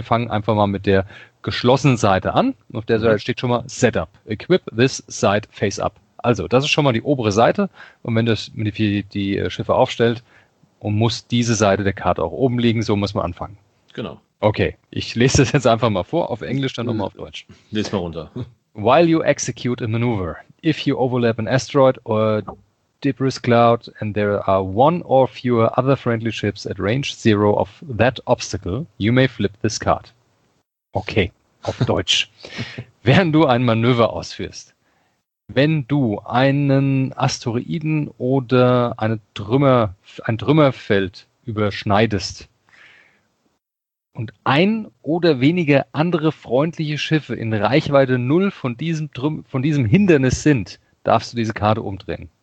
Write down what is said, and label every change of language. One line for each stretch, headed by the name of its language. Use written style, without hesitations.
German: Wir fangen einfach mal mit der geschlossenen Seite an, auf der Seite steht schon mal
English: Setup, equip this side face up.
German: Also, das ist schon mal die obere Seite und wenn das die Schiffe aufstellt und muss diese Seite der Karte auch oben liegen, so muss man anfangen. Genau. Okay, ich lese das jetzt einfach mal vor, auf Englisch, dann nochmal auf Deutsch. Lies mal runter.
English: While you execute a maneuver, if you overlap an asteroid or debris cloud and there are one or fewer other friendly ships at range zero of that obstacle, you may flip this card.
German: Okay, auf Deutsch. Während du ein Manöver ausführst, wenn du einen Asteroiden oder ein Trümmerfeld überschneidest und ein oder weniger andere freundliche Schiffe in Reichweite 0 von diesem Hindernis sind, darfst du diese Karte umdrehen.